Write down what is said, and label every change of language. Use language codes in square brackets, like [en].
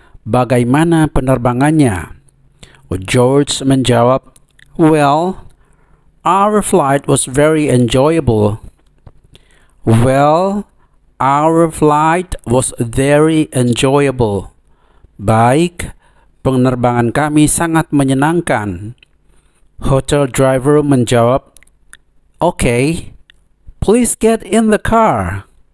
[id] Bagaimana penerbangannya? [en] George menjawab, Well, our flight was very enjoyable. Well, our flight was very enjoyable. [id] Baik, penerbangan kami sangat menyenangkan. [en] Hotel driver menjawab, Okay, please get in the car.